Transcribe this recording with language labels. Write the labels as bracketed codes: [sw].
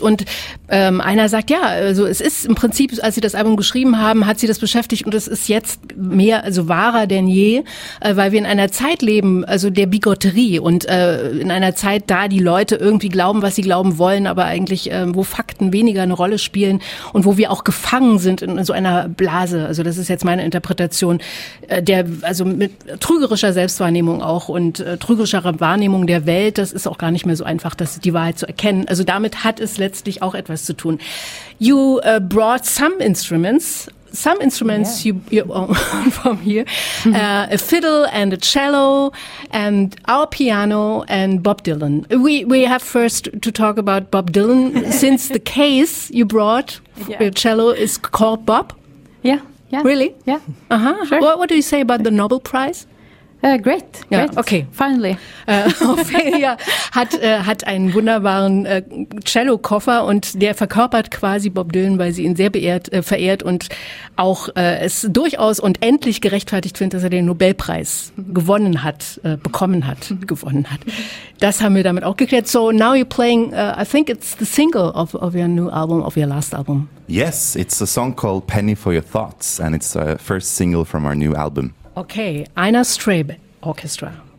[de] Und einer sagt, ja, also es ist im Prinzip, als sie das Album geschrieben haben, hat sie das beschäftigt und es ist jetzt mehr, also wahrer denn je, weil wir in einer Zeit leben, also der Bigotterie und in einer Zeit, da die Leute irgendwie glauben, was sie glauben wollen, aber eigentlich, wo Fakten weniger eine Rolle spielen und wo wir auch gefangen sind in so einer Blase. Also das ist jetzt meine Interpretation, also mit trügerischer Selbstwahrnehmung auch und trügerischer Wahrnehmung der Welt, das ist auch gar nicht mehr so einfach, das die Wahrheit zu erkennen. Also damit hat es letztlich auch etwas zu tun. [en] You brought some instruments you own from here, a fiddle and a cello and our piano and Bob Dylan. We have first to talk about Bob Dylan, since the case you brought your cello is called Bob. Yeah. Really? Yeah. Sure. What do you say about the Nobel Prize? Great. [de] Ja, [en] great. Okay. Finally. [de] Ophelia hat einen wunderbaren Cello-Koffer und der verkörpert quasi Bob Dylan, weil sie ihn sehr verehrt und auch es durchaus und endlich gerechtfertigt findet, dass er den Nobelpreis bekommen hat. Das haben wir damit auch geklärt. [en] So now you're playing, I think it's the single of your new album, of your last album. Yes, it's a song called Penny for Your Thoughts and it's the first single from our new album. Okay, Einar Strebe Orchestra.